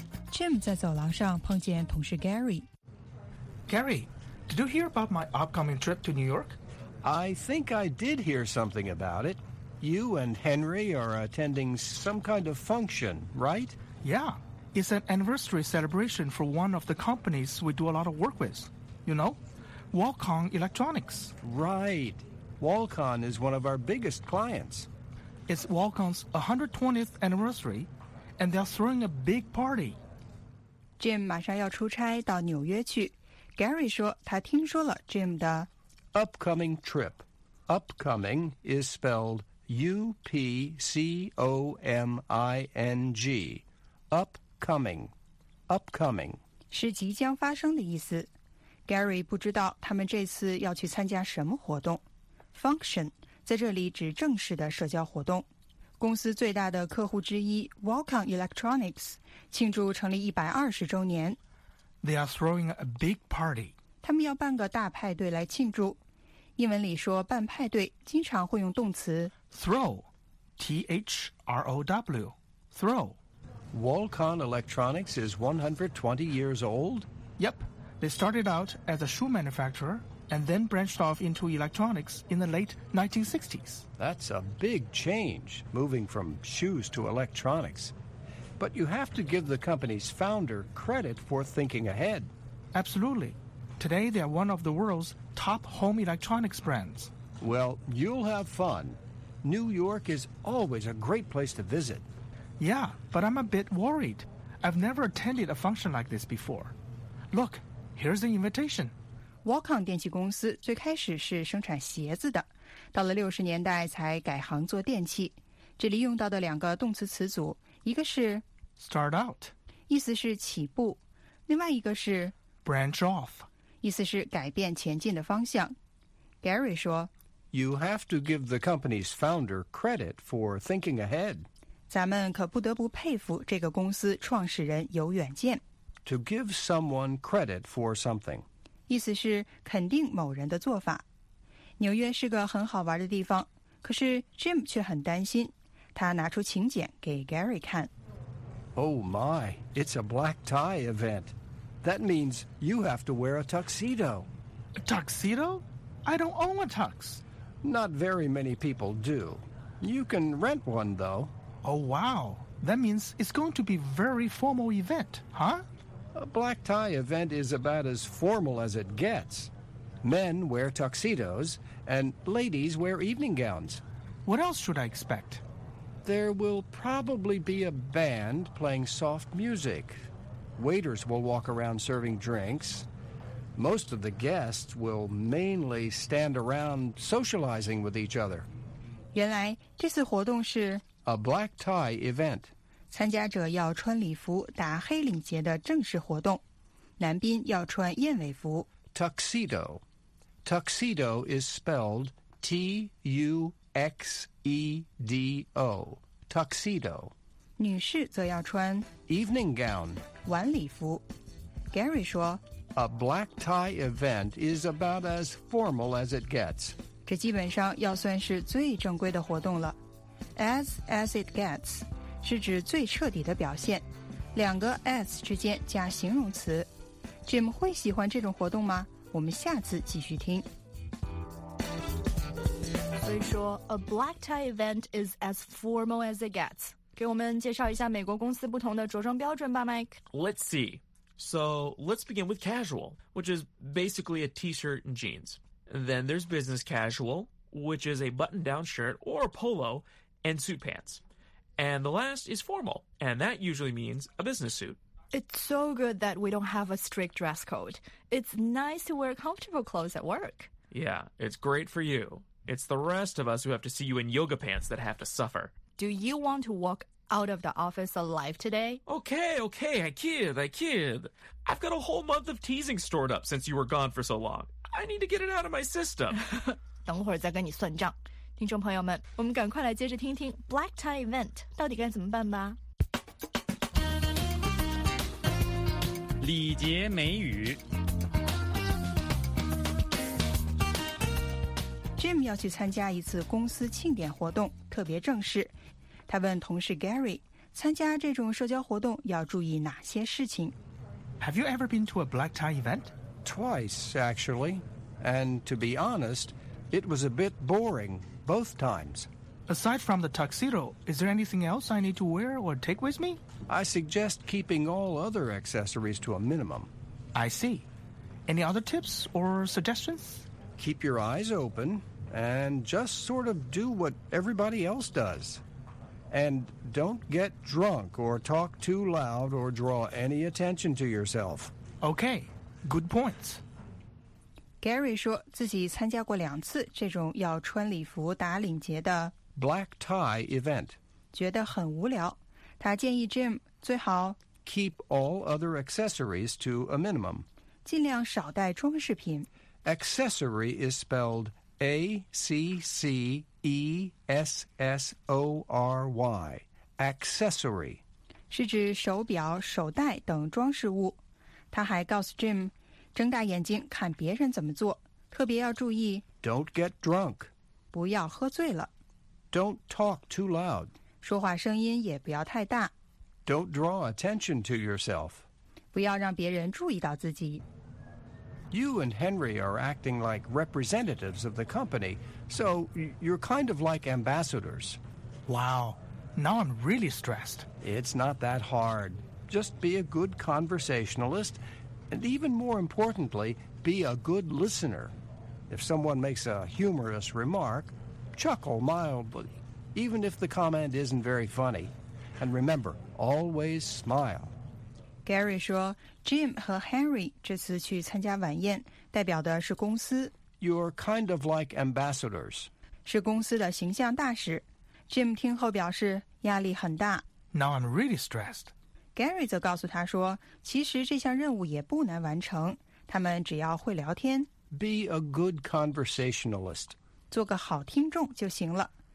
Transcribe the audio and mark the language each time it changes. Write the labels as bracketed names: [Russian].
[Chinese] Jim 在走廊上碰见同事 Gary. [English] Gary, did you hear about my upcoming trip to New York? I think I did hear something about it. You and Henry are attending some kind of function, right? Yeah, it's an anniversary celebration for one of the companies we do a lot of work with. You know, Walcon Electronics. Right. Walcon is one of our biggest clients. It's Walcon's 120th anniversary, and they're throwing a big party. [Chinese] Jim 马上要出差到纽约去。Gary 说他听说了 Jim 的 [English] Upcoming trip. Upcoming is spelled U-P-C-O-M-I-N-G. Upcoming. Upcoming. [Chinese] 是即将发生的意思。 Gary 不知道他们这次要去参加什么活动。 Function 在这里指正式的社交活动。公司最大的客户之一 Walcon Electronics 庆祝成立120周年。 [English] They are throwing a big party. [Chinese] 他们要办个大派对来庆祝。英文里说办派对经常会用动词 [English] throw, T-H-R-O-W, throw. Walcon Electronics is 120 years old? Yep. They started out as a shoe manufacturer and then branched off into electronics in the late 1960s. That's a big change, moving from shoes to electronics. But you have to give the company's founder credit for thinking ahead. Absolutely. Today, they are one of the world's top home electronics brands. Well, you'll have fun. New York is always a great place to visit. Yeah, but I'm a bit worried. I've never attended a function like this before. Look, here's the invitation. [Chinese] Walcon 电器公司最开始是生产鞋子的，到了六十年代才改行做电器。这里用到的两个动词词组，一个是 start out，意思是起步；另外一个是 branch off，意思是改变前进的方向。 Gary 说 [English] ，You have to give the company's founder credit for thinking ahead。 [Chinese] 咱们可不得不佩服这个公司创始人有远见。 [English] To give someone credit for something。 [Chinese] 意思是肯定某人的做法。纽约是个很好玩的地方，可是 Jim 却很担心。他拿出请柬给 Gary 看。 [English] Oh my, it's a black tie event. That means you have to wear a tuxedo. A tuxedo? I don't own a tux. Not very many people do. You can rent one, though. Oh wow, that means it's going to be a very formal event, huh? A black tie event is about as formal as it gets. Men wear tuxedos, and ladies wear evening gowns. What else should I expect? There will probably be a band playing soft music. Waiters will walk around serving drinks. Most of the guests will mainly stand around socializing with each other. [Chinese] 原来这次活动是 [English] A black tie event. [Chinese] 参加者要穿礼服打黑领结的正式活动，男宾要穿燕尾服。 [English] Tuxedo. Tuxedo is spelled T-U-X-E-D-O. Tuxedo. [Chinese] 女士则要穿 [English] Evening gown. [Chinese] 晚礼服。Gary 说 [English] A black tie event is about as formal as it gets. [Chinese] 这基本上要算是最正规的活动了。 [English] As it gets. [Chinese] 是指最彻底的表现，两个 as 之间加形容词。 Jim 会喜欢这种活动吗？我们下次继续听。所以说 [English] ，a black tie event is as formal as it gets。 [Chinese] 给我们介绍一下美国公司不同的着装标准吧 ，Mike。 [English] Let's see. So let's begin with casual, which is basically a T-shirt and jeans. Then there's business casual, which is a button-down shirt or polo and suit pants. And the last is formal, and that usually means a business suit. It's so good that we don't have a strict dress code. It's nice to wear comfortable clothes at work. Yeah, it's great for you. It's the rest of us who have to see you in yoga pants that have to suffer. Do you want to walk out of the office alive today? Okay, I kid. I've got a whole month of teasing stored up since you were gone for so long. I need to get it out of my system. [Chinese] 等会儿再跟你算账。听众朋友们，我们赶快来接着听听 [English] Black Tie Event [Chinese] 到底该怎么办吧。礼节美语。 Jim 要去参加一次公司庆典活动，特别正式。他问同事 Gary， 参加这种社交活动要注意哪些事情 [English] ？Have you ever been to a black tie event? Twice, actually. And to be honest, it was a bit boring. Both times. Aside from the tuxedo, is there anything else I need to wear or take with me? I suggest keeping all other accessories to a minimum. I see. Any other tips or suggestions? Keep your eyes open and just sort of do what everybody else does. And don't get drunk or talk too loud or draw any attention to yourself. Okay, good points. [Chinese] Gary 说自己参加过两次这种要穿礼服打领结的 [English] black tie event， [Chinese] 觉得很无聊。他建议 Jim 最好 [English] keep all other accessories to a minimum， [Chinese] 尽量少带装饰品。 [English] Accessory is spelled A-C-C-E-S-S-O-R-Y， accessory [Chinese] 是指手表、手袋等装饰物。他还告诉 Jim。睁大眼睛看别人怎么做，特别要注意。 [English] Don't get drunk， [Chinese] 不要喝醉了。 [English] Don't talk too loud， [Chinese] 说话声音也不要太大。 [English] Don't draw attention to yourself. [Chinese] 不要让别人注意到自己。 [English] You and Henry are acting like representatives of the company, so you're kind of like ambassadors. Wow, now I'm really stressed. It's not that hard. Just be a good conversationalist, and even more importantly, be a good listener. If someone makes a humorous remark, chuckle mildly, even if the comment isn't very funny. And remember, always smile. [Chinese] Gary 说 ,Jim 和 Henry 这次去参加晚宴代表的是公司。 [English] You're kind of like ambassadors. [Chinese] 是公司的形象大使。 Jim 听后表示压力很大。 [English] Now I'm really stressed. [Chinese] Gary 则告诉他说其实这项任务也不难完成他们只要会聊天。 [English] Be a good conversationalist. [Chinese] 做个好听众就行了。